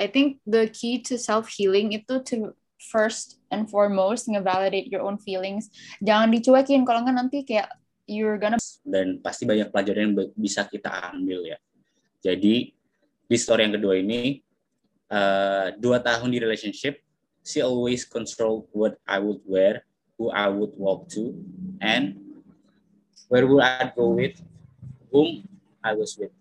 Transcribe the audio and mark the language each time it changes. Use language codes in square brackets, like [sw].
[en] I think the key to self-healing itu to first and foremost nge-validate your own feelings. [id] Jangan dicuekin, kalau enggak nanti kayak [en] you're gonna... [id] Dan pasti banyak pelajaran yang bisa kita ambil ya. Jadi, di story yang kedua ini, 2 tahun di relationship, [en] she always control what I would wear, who I would walk to, and where would I go with, whom I was with.